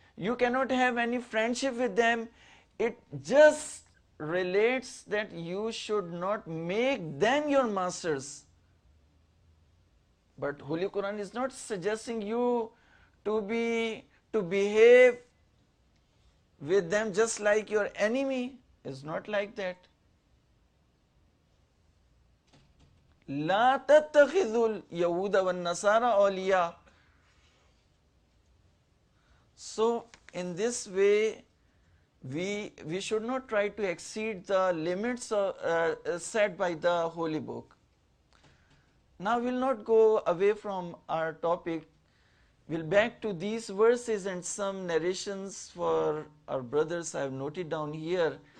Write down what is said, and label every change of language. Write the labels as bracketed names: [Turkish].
[English] you cannot have any friendship with them. It just relates that you should not make them your masters. But Holy Quran is not suggesting you to behave with them just like your enemy. It's not like that. [Arabic] لا تتخذوا اليهود والنصارى أولياء. [English] So in this way, we should not try to exceed the limits set by the Holy Book. Now we'll not go away from our topic. We'll back to these verses and some narrations for our brothers I have noted down here.